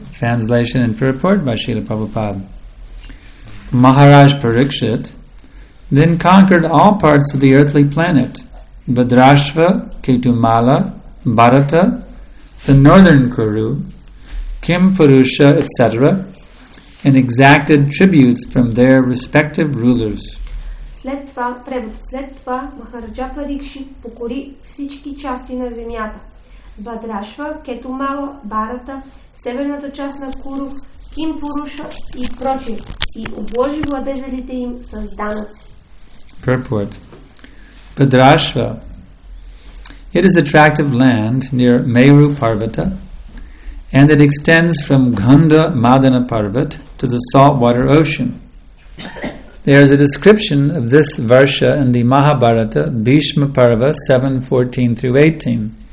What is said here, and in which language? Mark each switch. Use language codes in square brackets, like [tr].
[en] Translation and purport by Srila Prabhupada. Maharaj Parikshit then conquered all parts of the earthly planet, Badrashva, Ketumala, Bharata, the northern Kuru, Kim Purusha, etc., and exacted tributes from their respective rulers. [bg] След това, превод, след това Махараджа Парикшит покори всички части на земята. Бадрашва, Кетумала, Барата, северната част на Куру, Ким Пуруша и прочие. И обложи владетелите им с данъци. [en] Purport. Бадрашва. It is attractive land near Meru Parvata and it extends from Ganda Madana Parvat to the saltwater ocean. There is a description of this Varsha in the Mahabharata, Bhishma Parva 7:14-18.